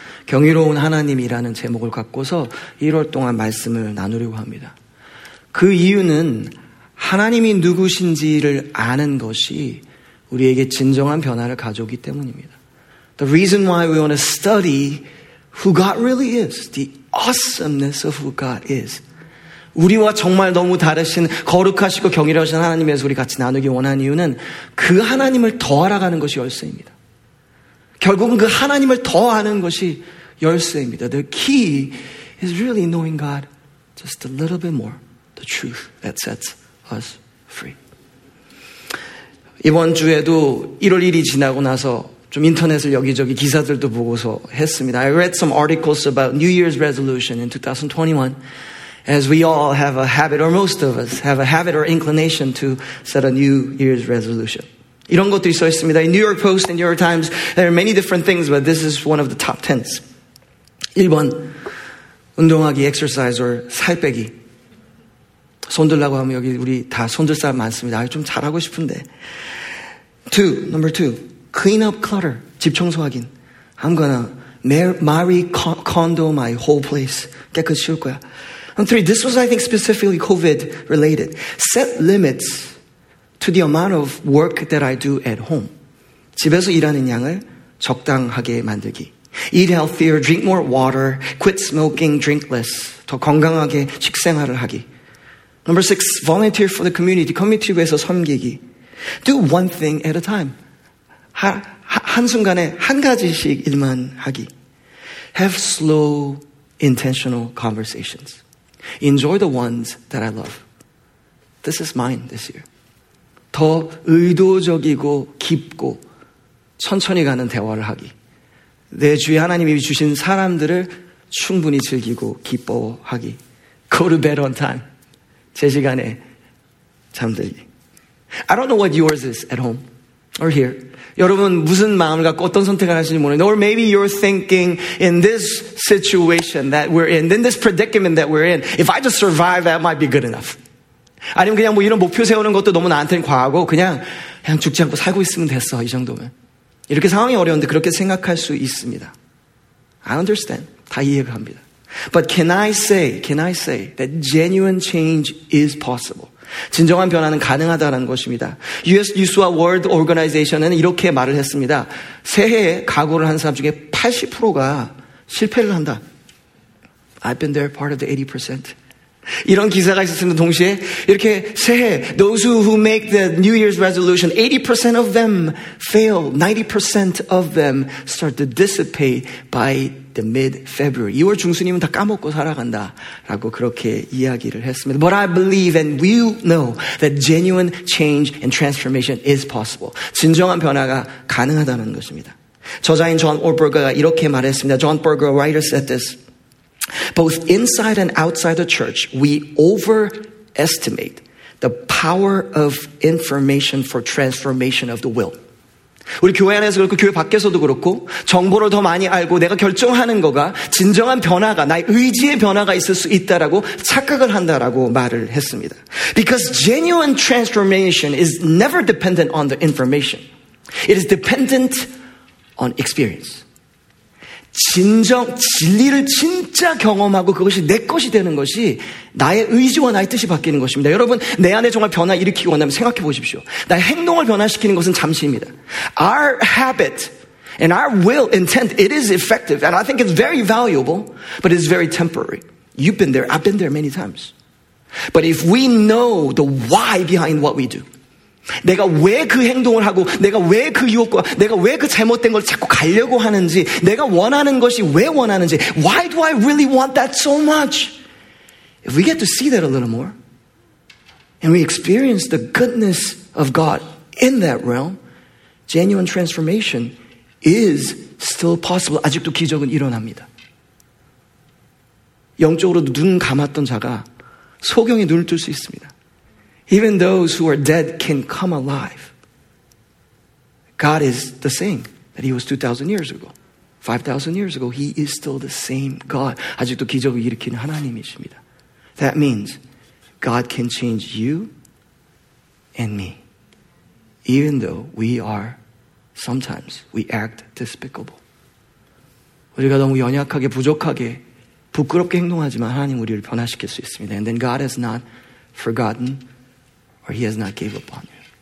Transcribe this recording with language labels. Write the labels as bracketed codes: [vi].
[ko] 경이로운 하나님이라는 제목을 갖고서 1월 동안 말씀을 나누려고 합니다. 그 이유는 하나님이 누구신지를 아는 것이 우리에게 진정한 변화를 가져오기 때문입니다. [en] The reason why we want to study who God really is, the awesomeness of who God is. [ko] 우리와 정말 너무 다르신 거룩하시고 경이로우신 하나님에 대해서 우리 같이 나누기 원하는 이유는 그 하나님을 더 알아가는 것이 열쇠입니다. 결국은 그 하나님을 더 아는 것이 열쇠입니다. [en] The key is really knowing God just a little bit more. The truth that sets us free. [ko] 이번 주에도 1월 1일이 지나고 나서 좀 인터넷을 여기저기 기사들도 보고서 했습니다. [en] I read some articles about New Year's resolution in 2021. As we all have a habit, or most of us have a habit or inclination to set a New Year's resolution. [ko] 이런 것들이 써 있습니다. [en] In New York Post and New York Times, there are many different things, but this is one of the top tens. [ko] 1번, 운동하기, [en] exercise, or [ko] 살 빼기. 손 들라고 하면 여기 우리 다 손 들 사람 많습니다. 좀 잘하고 싶은데. [en] 2, number 2, clean up clutter, [ko] 집 청소하긴. [en] I'm gonna Marie Kondo my whole place. [ko] 깨끗이 치울 거야. [en] And three, this was, I think, specifically COVID-related. Set limits to the amount of work that I do at home. [ko] 집에서 일하는 양을 적당하게 만들기. [en] Eat healthier, drink more water, quit smoking, drink less. [ko] 더 건강하게 식생활을 하기. [en] Number six, volunteer for the community. [ko] 커뮤니티에서 섬기기. [en] Do one thing at a time. [ko] 한순간에 한 가지씩 일만 하기. [en] Have slow, intentional conversations. Enjoy the ones that I love. This is mine this year. [ko] 더 의도적이고 깊고 천천히 가는 대화를 하기. 내 주위 하나님이 주신 사람들을 충분히 즐기고 기뻐하기. [en] Go to bed on time. [ko] 제 시간에 잠들기. [en] I don't know what yours is at home or here. [ko] 여러분 무슨 마음을 갖고 어떤 선택을 하시는지 모르겠는데 [en] or maybe you're thinking in this situation that we're in this predicament that we're in, if I just survive, that might be good enough. [ko] 아니면 그냥 뭐 이런 목표 세우는 것도 너무 나한테는 과하고 그냥 죽지 않고 살고 있으면 됐어, 이 정도면. 이렇게 상황이 어려운데 그렇게 생각할 수 있습니다. [en] I understand. [ko] 다 이해가 합니다. [en] But can I say that genuine change is possible? [ko] 진정한 변화는 가능하다는 것입니다. US Yusua World Organization은 이렇게 말을 했습니다. 새해에 각오를 한 사람 중에 80%가 실패를 한다. [en] I've been there part of the 80%. [ko] 이런 기사가 있었습니다. 동시에 이렇게 새해 [en] those who make the New Year's resolution 80% of them fail. 90% of them start to dissipate by the mid-February. [ko] 2월 중순이면 다 까먹고 살아간다 라고 그렇게 이야기를 했습니다. [en] But I believe and we know that genuine change and transformation is possible. [ko] 진정한 변화가 가능하다는 것입니다. 저자인 존 오버거가 이렇게 말했습니다. [en] John Berger, writer, said this. Both inside and outside the church, we overestimate the power of information for transformation of the will. [ko] 우리 교회 안에서 그렇고 교회 밖에서도 그렇고 정보를 더 많이 알고 내가 결정하는 거가 진정한 변화가 나의 의지의 변화가 있을 수 있다라고 착각을 한다라고 말을 했습니다. [en] Because genuine transformation is never dependent on the information. It is dependent on experience. [ko] 진정 진리를 진짜 경험하고 그것이 내 것이 되는 것이 나의 의지와 나의 뜻이 바뀌는 것입니다. 여러분 내 안에 정말 변화 일으키고 한다면 생각해 보십시오. 나의 행동을 변화시키는 것은 잠시입니다. [en] Our habit and our will intent it is effective and I think it's very valuable but it's very temporary. You've been there. I've been there many times. But if we know the why behind what we do [ko] 내가 왜 그 행동을 하고 내가 왜 그 유혹과 내가 왜 그 잘못된 걸 자꾸 가려고 하는지 내가 원하는 것이 왜 원하는지 [en] Why do I really want that so much? If we get to see that a little more and we experience the goodness of God in that realm genuine transformation is still possible [ko] 아직도 기적은 일어납니다 영적으로 눈 감았던 자가 소경에 눈을 뜰 수 있습니다 [en] Even those who are dead can come alive. God is the same that he was 2,000 years ago. 5,000 years ago, he is still the same God. [ko] 아직도 기적을 일으키는 하나님이십니다. [en] That means God can change you and me. even though we are sometimes we act despicable. [ko] 우리가 너무 연약하게 부족하게 부끄럽게 행동하지만 하나님 우리를 변화시킬 수 있습니다. [en] And then God has not forgotten or he has not gave up on you.